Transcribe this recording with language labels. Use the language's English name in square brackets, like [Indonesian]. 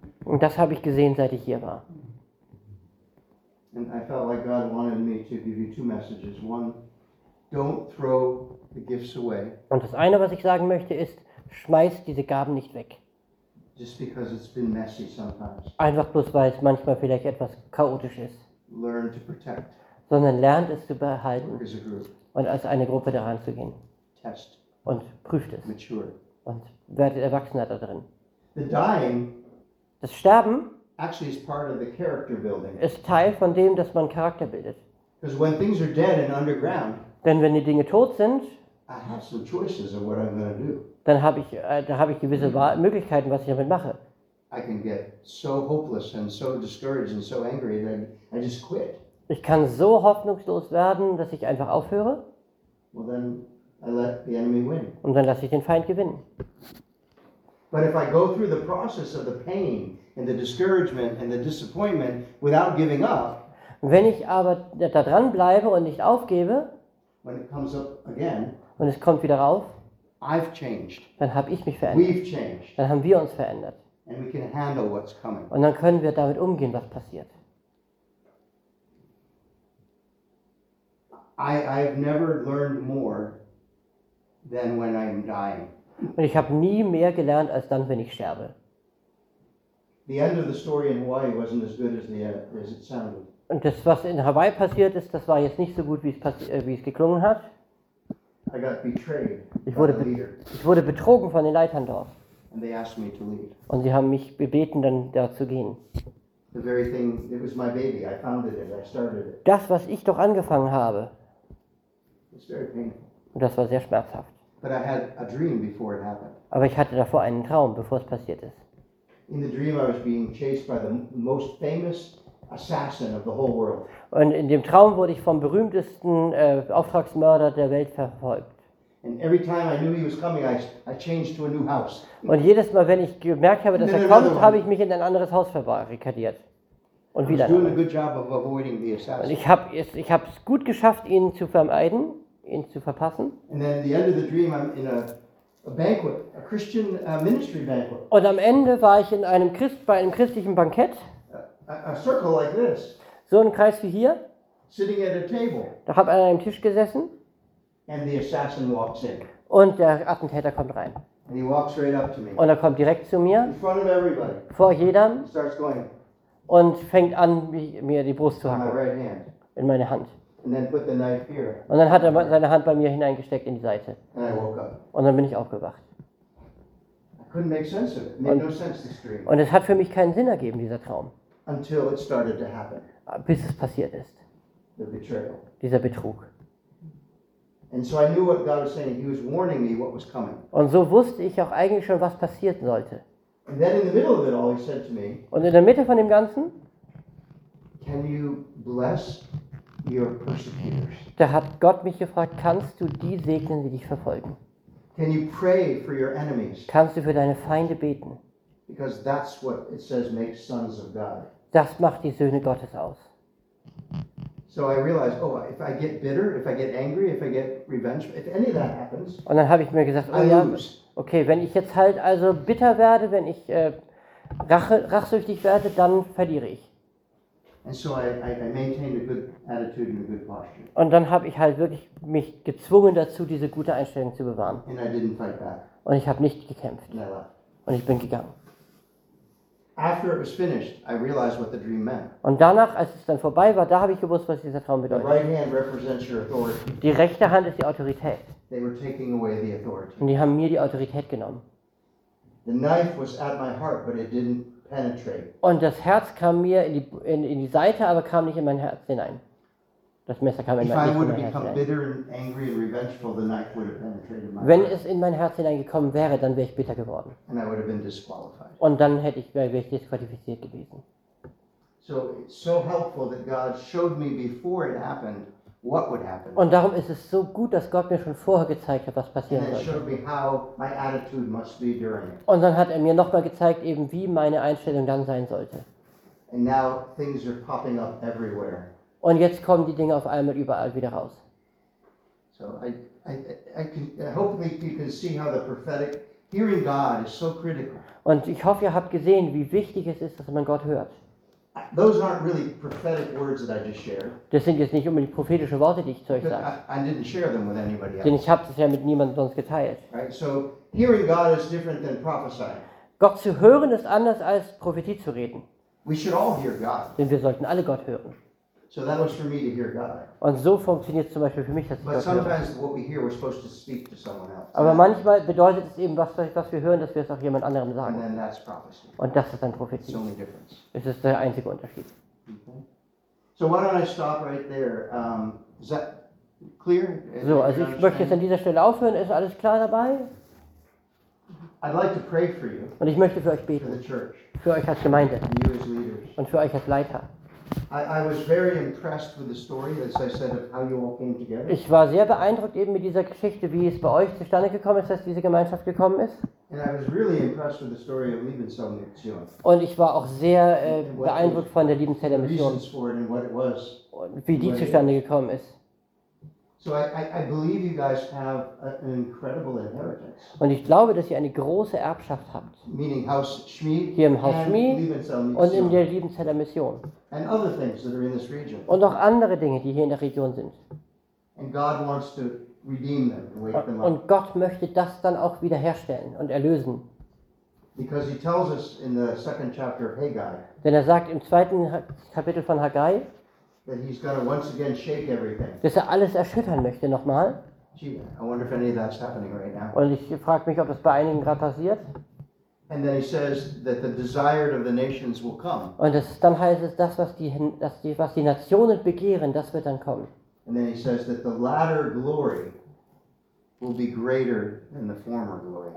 [German] Und das habe ich gesehen, seit ich hier war. [English] And I felt like God wanted me to give you two messages. One, don't throw the gifts away. [German] Und das eine, was ich sagen möchte, ist, schmeiß diese Gaben nicht weg. [English] Just because it's been messy sometimes. [German] Einfach bloß, weil es manchmal vielleicht etwas chaotisch ist. [English] Learn to protect. [German] Sondern lernt es zu behalten. [English] Work as a group. [German] Und als eine Gruppe daran zu gehen. [English] Test. [German] Und prüft es. [English] Mature. [German] Und werdet erwachsener da drin. [English] The dying, [German] das Sterben [English] actually is part of the character building. [German] Ist Teil von dem, dass man Charakter bildet. [English] Because when things are dead and underground, [German] denn wenn die Dinge tot sind, [English] I have some choices of what I'm going to do. [German] Dann habe ich, gewisse Möglichkeiten, was ich damit mache. [English] I can get so hopeless and so discouraged and so angry that I just quit. [German] Ich kann so hoffnungslos werden, dass ich einfach aufhöre. [English] Well, then I let the enemy win. [German] Und dann lasse ich den Feind gewinnen. [English] But if I go through the process of the pain and the discouragement and the disappointment without giving up, [German] wenn ich aber da dran bleibe und nicht aufgebe, [English] when it comes up again, [German] und es kommt wieder rauf, [English] I've changed. [German] Dann habe ich mich verändert. [English] We've changed. [German] Dann haben wir uns verändert. [English] And we can handle what's coming. [German] Und dann können wir damit umgehen, was passiert. [English] I've never learned more than when I'm dying. [German] Und ich habe nie mehr gelernt als dann, wenn ich sterbe. [English] The end of the story in Hawaii wasn't as good as it sounded. [German] Und das, was in Hawaii passiert ist, das war jetzt nicht so gut, wie es geklungen hat. [English] I got betrayed. [German] Ich wurde betrogen von den Leitern dort. [English] And they asked me to leave. [German] Und sie haben mich gebeten, dann da zu gehen. [English] The very thing, it was my baby. I founded it. I started it. [German] Das, was ich doch angefangen habe. [English] It's very painful. [German] Und das war sehr schmerzhaft. [English] But I had a dream before it happened. [German] Aber ich hatte davor einen Traum, bevor es passiert ist. [English] In the dream I was being chased by the most famous assassin of the whole world. [German] Und in dem Traum wurde ich vom berühmtesten Auftragsmörder der Welt verfolgt. [English] And every time I knew he was coming, I changed to a new house. [German] Und jedes Mal, wenn ich gemerkt habe, dass er kommt, habe ich mich in ein anderes Haus verbarrikadiert. Und wieder. [English] Doing a good job of avoiding the assassin. [German] Und ich habe es gut geschafft, ihn zu vermeiden, ihn zu verpassen. [English] And then at the end of the dream, I'm in a banquet, a Christian ministry banquet. [German] Und am Ende war ich bei einem christlichen Bankett. [English] A circle like this. [German] So ein Kreis wie hier. [English] Sitting at a table. [German] Da habe ich an einem Tisch gesessen. [English] And the assassin walks in. [German] Und der Attentäter kommt rein. [English] And he walks right up to me. [German] Und er kommt direkt zu mir. [English] In front of everybody. [German] Vor jedem. [English] Starts going. [German] Und fängt an, mir die Brust zu hacken. [English] In my right hand. [German] In meine Hand. [English] And then put the knife here. [German] Und dann hat er seine Hand bei mir hineingesteckt in die Seite. [English] And I woke up. [German] Und dann bin ich aufgewacht. [English] I couldn't make sense of it. Made no sense this dream. [German] Und es hat für mich keinen Sinn ergeben, dieser Traum. [English] Until it started to happen. [German] Bis es passiert ist. [English] The betrayal. [German] Dieser Betrug. [English] And so I knew what God was saying. He was warning me what was coming. [German] Und so wusste ich auch eigentlich schon, was passieren sollte. [English] And then in the middle of it all, he said to me. [German] Und in der Mitte von dem Ganzen. [English] Can you bless your persecutors? [German] Da hat Gott mich gefragt: Kannst du die segnen, die dich verfolgen? [English] Can you pray for your enemies? [German] Kannst du für deine Feinde beten? [English] Because that's what it says makes sons of God. [German] Das macht die Söhne Gottes aus. [English] So I realized, oh, if I get bitter, if I get angry, if I get revenge, if any of that happens. [German] Und dann habe ich mir gesagt, oh ja, okay, wenn ich jetzt halt also bitter werde, wenn ich rachsüchtig werde, dann verliere ich. [English] And so I maintained a good attitude and a good posture. [German] Und dann habe ich halt wirklich mich gezwungen dazu, diese gute Einstellung zu bewahren. [English] And I didn't fight back. [German] Und ich habe nicht gekämpft. [English] And I left. [German] Und ich bin gegangen. [English] After it was finished, I realized what the dream meant. [German] Und danach, als es dann vorbei war, da habe ich gewusst, was dieser Traum bedeutet. [English] The right hand represents your authority. [German] Die rechte Hand ist die Autorität. [English] They were taking away the authority. [German] Und die haben mir die Autorität genommen. [English] The knife was at my heart, but it didn't penetrate. [German] Und das Herz kam mir in die Seite, aber kam nicht in mein Herz hinein. Das Messer kam in mein Herz hinein. [English] If I would have become bitter and angry and revengeful, the knife would have penetrated my heart. [German] Wenn es in mein Herz hineingekommen wäre, dann wäre ich bitter geworden. [English] And I would have been disqualified. [German] Und dann wäre ich disqualifiziert gewesen. [English] So it's so helpful that God showed me before it happened what would happen. [German] Und darum ist es so gut, dass Gott mir schon vorher gezeigt hat, was passieren sollte. [English] And showed me how my attitude must be during it. [German] Und dann hat er mir nochmal gezeigt, eben wie meine Einstellung dann sein sollte. [English] And now things are popping up everywhere. [German] Und jetzt kommen die Dinge auf einmal überall wieder raus. [English] So I hopefully you can see how the prophetic hearing God is so critical. [German] Und ich hoffe, ihr habt gesehen, wie wichtig es ist, dass man Gott hört. [English] Those aren't really prophetic words that I just shared. [German] Das sind jetzt nicht unbedingt prophetische Worte, die ich zu euch sage. [English] I didn't share them with anybody else. [German] Denn ich habe das ja mit niemandem sonst geteilt. [English] Right? So hearing God is different than prophesying. [German] Gott zu hören ist anders als Prophetie zu reden. [English] We should all hear God. [German] Denn wir sollten alle Gott hören. [English] So that was for me to hear God. [German] Und so funktioniert es zum Beispiel für mich, dass ich [English] But [German] Gott [English] sometimes [German] hören. [English] What we hear, we're supposed to speak to someone else. [German] Aber manchmal bedeutet es eben, was wir hören, dass wir es auch jemand anderem sagen. [English] And then that's prophecy. [German] Und das ist dann Prophetie. [English] It's the only difference. [German] Es ist der einzige Unterschied. Mm-hmm. [English] So why don't I stop right there? Is that clear? [German] So, also ich möchte jetzt an dieser Stelle aufhören. Ist alles klar dabei? [English] I'd like to pray for you. [German] Und ich möchte für euch beten. [English] For the church. [German] Für euch als Gemeinde. [English] And you as leaders. [German] Und für euch als Leiter. [English] I was very impressed with the story, as I said, of how you all came together. [German] Ich war sehr beeindruckt eben mit dieser Geschichte, wie es bei euch zustande gekommen ist, dass diese Gemeinschaft gekommen ist. [English] And I was really impressed with the story of Lieben Zelle Mission. [German] Und ich war auch sehr beeindruckt von der Lieben Zelle Mission. [English] Reasons for it and what it was. [German] Und wie die zustande gekommen ist. [English] So I believe you guys have an incredible inheritance. [German] Und ich glaube, dass ihr eine große Erbschaft habt. [English] Meaning Haus Schmied. [German] Hier im Haus Schmied und in der Liebenzeller Mission. [English] And other things that are in this region. [German] Und auch andere Dinge, die hier in der Region sind. [English] And God wants to redeem them, wake them up. [German] Und Gott möchte das dann auch wiederherstellen und erlösen. [English] Because he tells us in the second chapter of Haggai. [German] Denn er sagt im zweiten Kapitel von Haggai. [English] That he's going to once again shake everything. [German] Dass er alles erschüttern möchte nochmal. [English] Gee, I wonder if any of that's happening right now. [German] Und ich frage mich, ob das bei einigen gerade passiert. [English] And then he says that the desired of the nations will come. [German] Und das, dann heißt es, was die Nationen begehren, das wird dann kommen. [English] And then he says that the latter glory will be greater than the former glory.